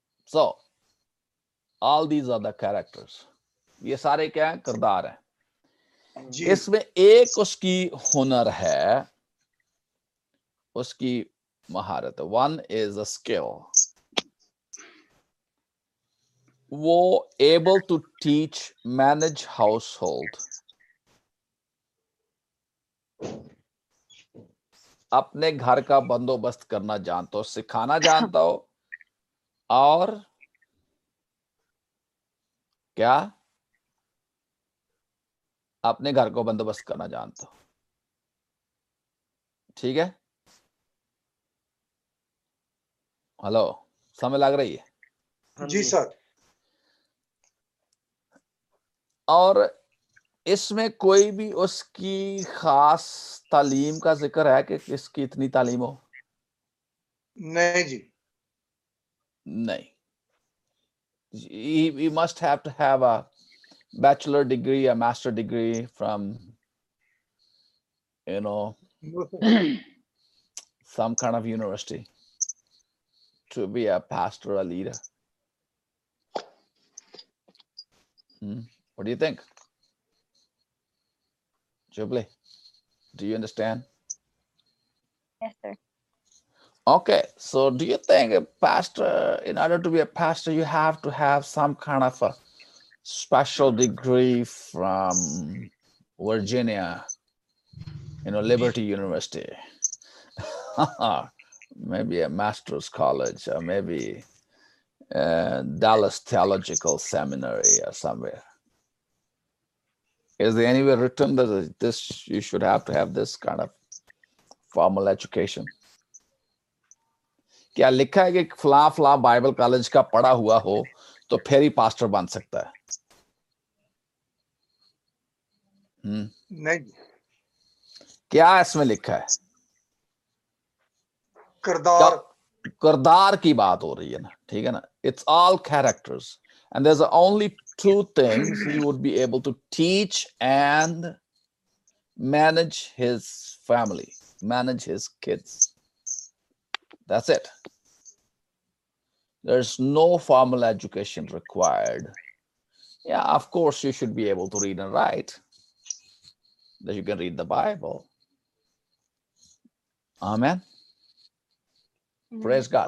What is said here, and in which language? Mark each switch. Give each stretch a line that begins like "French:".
English: So, all these are the characters.
Hindi: ये सारे क्या हैं? किरदार हैं। इसमें एक उसकी हुनर है, उसकी महारत।
English: One is a skill.
Hindi: वो
English: able to teach manage household,
Hindi: अपने घर का बंदोबस्त करना जानता हो, सिखाना जानता हो, और क्या अपने घर को बंदोबस्त करना जानता हो। ठीक है, हेलो, समय लग रही है? जी सर। और इसमें कोई भी उसकी खास तालीम का जिक्र है कि किसकी इतनी तालीम हो? नहीं जी, नहीं।
English: He must have to have a bachelor degree, a master degree from, you know, some kind of university to be a pastor, a leader. What do you think? Jubilee, do you understand? Yes, sir. Okay, so do you think a pastor, in order to be a pastor, you have to have some kind of a special degree from Virginia, you know, Liberty University, maybe a master's college, or maybe Dallas Theological Seminary or somewhere? Is there anywhere written that this you should have to have this kind of formal education?
Hindi: क्या लिखा है कि फला फला Bible college का पढ़ा हुआ हो तो फिर ही पास्टर बन सकता है? नहीं। क्या इसमें लिखा है? किरदार, किरदार की बात हो रही है ना, ठीक है ना?
English: It's all characters and there are only two things he would be able to teach and manage his family, manage his kids. That's it. There's no formal education required. Yeah, of course you should be able to read and write. That you can read the Bible. Amen. Praise God.